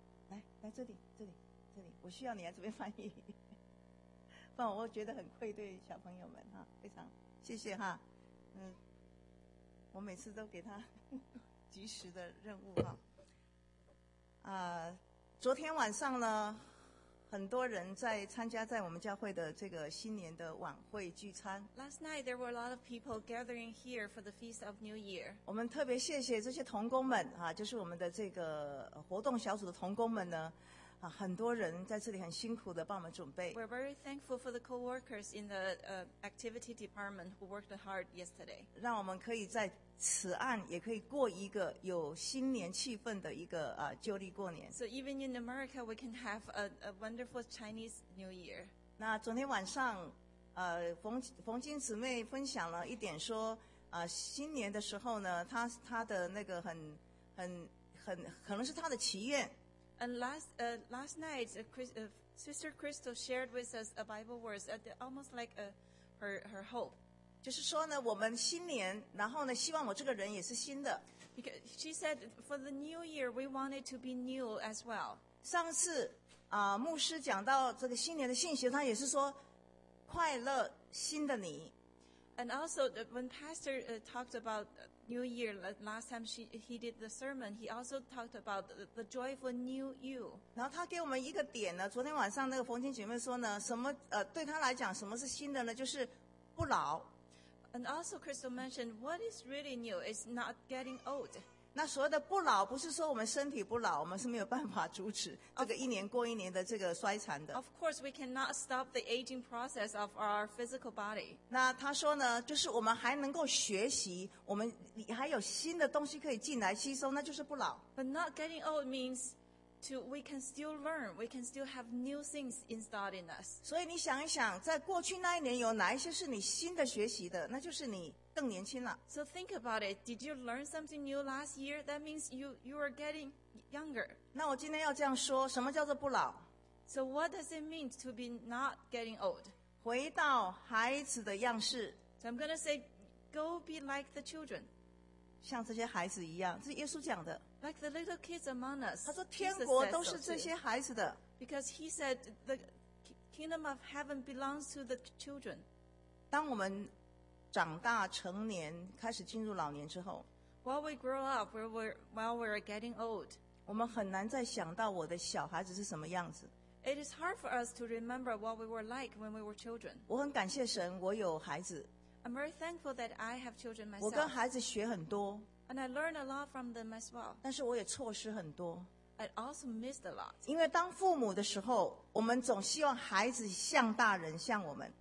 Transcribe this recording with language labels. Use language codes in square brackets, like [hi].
[zh] 来来，这里，我需要你来这边翻译，不然我觉得很愧对小朋友们哈。非常谢谢哈，我每次都给他及时的任务哈。昨天晚上呢，很多人在参加在我们教会的这个新年的晚会聚餐。 [en] Last night there were a lot of people gathering here for the feast of New Year. [zh] 我们特别谢谢这些同工们啊，就是我们的这个活动小组的同工们呢，啊，很多人在这里很辛苦的帮我们准备。 [en] We're very thankful for the co-workers in the activity department who worked hard yesterday. [zh] 让我们可以在此岸也可以过一个有新年气氛的一个旧历过年。 [en] So even in America, we can have a wonderful Chinese New Year. [zh] 那昨天晚上，冯金姊妹分享了一点说，新年的时候呢，她的那个很可能是她的祈愿。 [en] And last night, Sister Crystal shared with us a Bible verse, almost like her hope. [zh] 就是说呢，我们新年，然后呢，希望我这个人也是新的。 [en] Because she said, for the new year, we wanted to be new as well. [zh] 上次牧师讲到这个新年的信息，他也是说快乐新的你。 [en] And also, when Pastor talked about New Year, last time he did the sermon, he also talked about the joyful new you. [zh] 然后他给我们一个点呢，昨天晚上那个冯金姐妹说呢，什么对他来讲什么是新的呢？就是不老。 [en] And also Crystal mentioned, what is really new is not getting old. [zh] 那所谓的不老不是说我们身体不老，我们是没有办法阻止这个一年过一年的这个衰残的。 [en] Of course, we cannot stop the aging process of our physical body. [zh] 那他说呢，就是我们还能够学习，我们还有新的东西可以进来吸收，那就是不老。 [en] But not getting old means we can still learn, we can still have new things installed in us. [zh] 所以你想一想，在过去那一年有哪一些是你新的学习的，那就是你更年轻了。 [en] So think about it. Did you learn something new last year? That means you are getting younger. [zh] 那我今天要这样说，什么叫做不老？ [en] So what does it mean to be not getting old? [zh] 回到孩子的样式。 [en] So I'm going to say, go be like the children. [zh] 像这些孩子一样，这是耶稣讲的。 [en] Like the little kids among us. [zh] 他说天国都是这些孩子的。 [en] Because he said the kingdom of heaven belongs to the children. [zh] 当我们长大成年，开始进入老年之后 [en] ，While we grow up, while we're getting old, [zh] 我们很难再想到我的小孩子是什么样子。 [en] It is hard for us to remember what we were like when we were children. [zh] 我很感谢神，我有孩子。 [en] I'm very thankful that I have children myself. [zh] 我跟孩子学很多 [en] ，and I learn a lot from them as well. [zh] 但是我也错失很多。 [en] I also missed a lot. [zh] 因为当父母的时候，我们总希望孩子像大人，像我们。